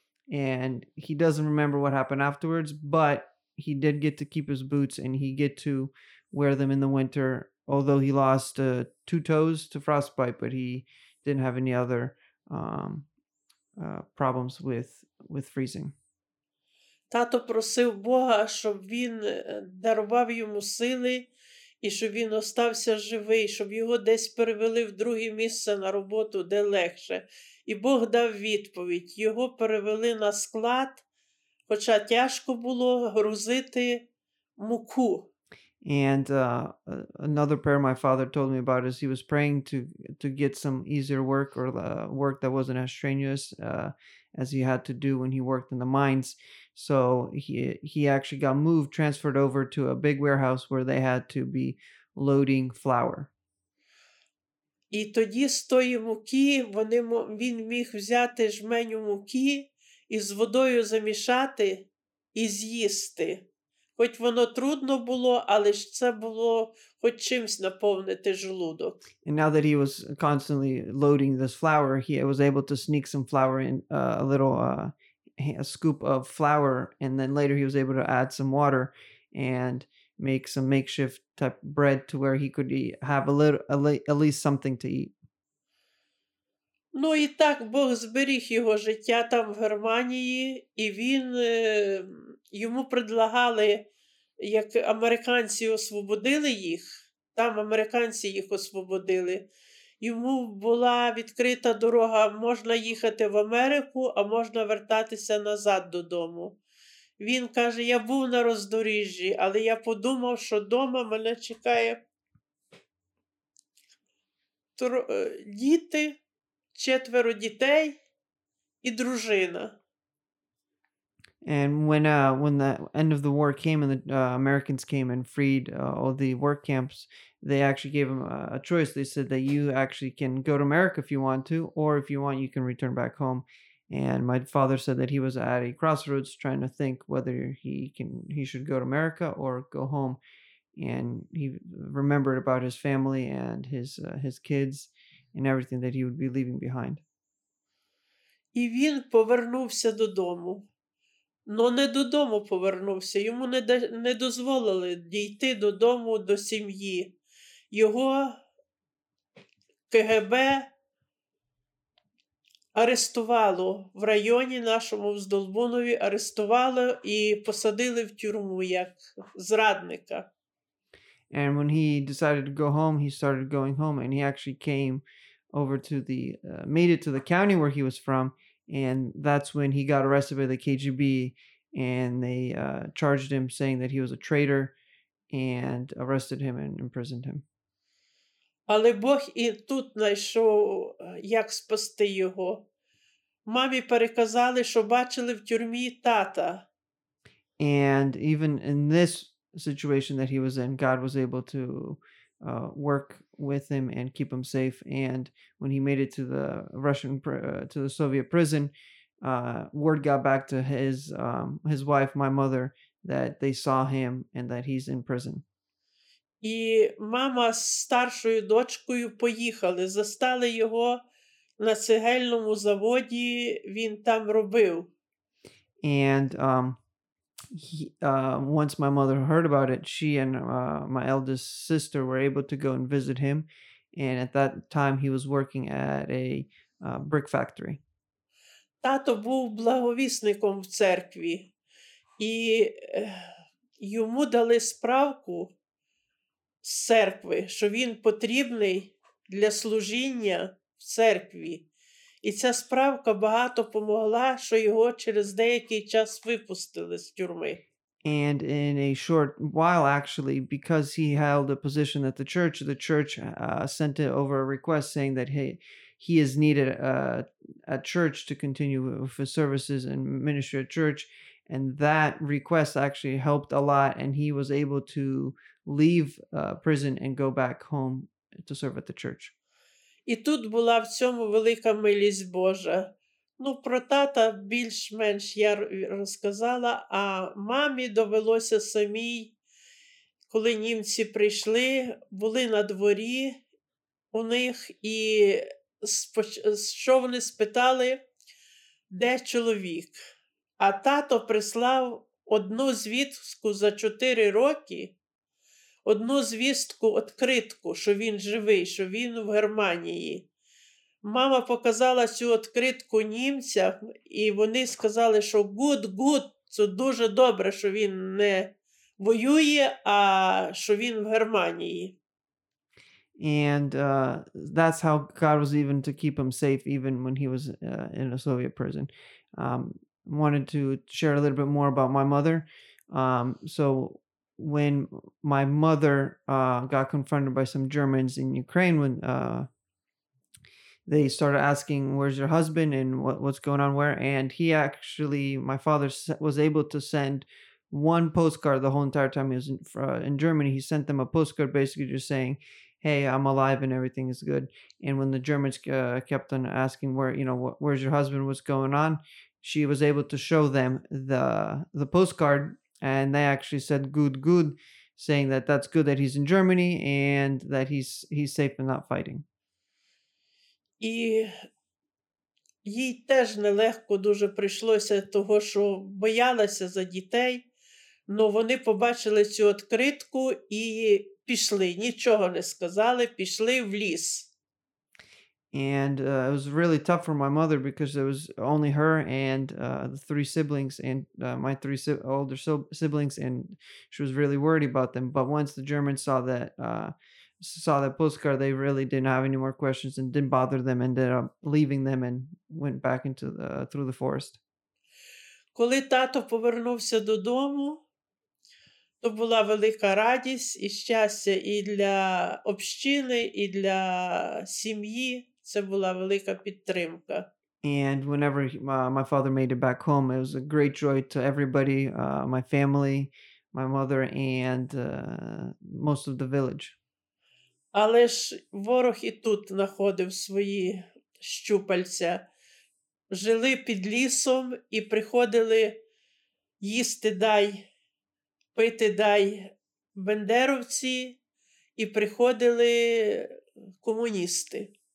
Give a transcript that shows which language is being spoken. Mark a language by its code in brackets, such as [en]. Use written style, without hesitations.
[en] And he doesn't remember what happened afterwards, but he did get to keep his boots and he get to wear them in the winter. Although he lost two toes to frostbite, but he didn't have any other problems with freezing. [uk] Тато просив Бога, щоб він дарував йому сили і щоб він остався живий, щоб його десь перевели в друге місце на роботу, де легше. І Бог дав відповідь. Його перевели на склад, хоча тяжко було грузити муку. [en] And another prayer my father told me about is he was praying to get some easier work or work that wasn't as strenuous as he had to do when he worked in the mines. So he actually got moved, transferred over to a big warehouse where they had to be loading flour. [uk] І тоді з тої муки він міг взяти жменю муки і з водою замішати і з'їсти. Хоч воно трудно було, але ж це було хоч чимсь наповнити желудок. [en] And now that he was constantly loading this flour, he was able to sneak some flour in, a little a scoop of flour, and then later he was able to add some water and make some makeshift type bread to where he could have a little, at least something to eat. [uk] Ну і так Бог зберіг його життя там в Германії, і він йому предлагали, як американці освободили їх, там американці їх освободили, йому була відкрита дорога, можна їхати в Америку, а можна вертатися назад додому. Він каже, я був на роздоріжжі, але я подумав, що дома мене чекає діти, четверо дітей і дружина. [en] And when the end of the war came and the Americans came and freed all the work camps, they actually gave him a choice. They said that you actually can go to America if you want to, or if you want, you can return back home. And my father said that he was at a crossroads trying to think whether he should go to America or go home. And he remembered about his family and his kids and everything that he would be leaving behind. [uk] І він повернувся додому. Но не додому повернувся. Йому не дозволили дійти додому до сім'ї. Його КГБ арестувало в районі нашому в Здолбунові, арестувало і посадили в тюрму як зрадника. [en] And when he decided to go home, he started going home and he actually came over to the made it to the county where he was from. And that's when he got arrested by the KGB and they charged him saying that he was a traitor and arrested him and imprisoned him. [uk] Але Бог і тут знайшов, як спасти його. Мамі переказали, що бачили в тюрмі тата. [en] And even in this situation that he was in, God was able to work with him and keep him safe. And when he made it to the Russian, to the Soviet prison, word got back to his wife, my mother, that they saw him and that he's in prison. [uk] І мама з старшою дочкою поїхали, застали його на цегельному заводі, він там робив. [en] And once my mother heard about it, she and my eldest sister were able to go and visit him. And at that time, he was working at a brick factory. [uk] Тато був благовісником в церкві. І йому дали справку з церкви, що він потрібний для служіння в церкві. І ця справка багато помогла, що його через деякий час випустили з тюрми. [en] And in a short while, actually, because he held a position at the church sent it over a request saying that he is needed at church to continue with his services and ministry at church. And that request actually helped a lot. And he was able to leave prison and go back home to serve at the church. [uk] І тут була в цьому велика милість Божа. Ну, про тата більш-менш я розказала, а мамі довелося самій, коли німці прийшли, були на дворі у них, і що вони спитали, де чоловік. А тато прислав одну звістку за 4 роки, одну звістку, відкритку, що він живий, що він в Германії. Мама показала цю відкритку німцям, і вони сказали, що [en] good, [uk] це дуже добре, що він не воює, а що він в Германії. [en] And that's how God was even to keep him safe, even when he was in a Soviet prison. Wanted to share a little bit more about my mother. So when my mother got confronted by some Germans in Ukraine, when they started asking, where's your husband and what's going on where? And he actually, my father was able to send one postcard the whole entire time he was in Germany. He sent them a postcard basically just saying, hey, I'm alive and everything is good. And when the Germans kept on asking, where's your husband, what's going on? She was able to show them the postcard, and they actually said good, saying that that's good that he's in Germany and that he's safe and not fighting. [uk] І їй теж нелегко дуже прийшлося того, що боялася за дітей, но вони побачили цю відкритку і пішли, нічого не сказали, пішли в ліс. [en] And it was really tough for my mother because it was only her and the three siblings and my three older siblings, and she was really worried about them. But once the Germans saw that postcard, they really didn't have any more questions and didn't bother them, ended up leaving them and went back into through the forest. [uk] Коли тато повернувся додому, то була велика радість і щастя і для общини, і для сім'ї. Це була велика підтримка. [en] And whenever my father made it back home, it was a great joy to everybody, my family, my mother, and most of the village. [uk] Але ж ворог і тут знаходив свої щупальця. Жили під лісом і приходили їсти дай, пити дай бендеровці, і приходили комуністи.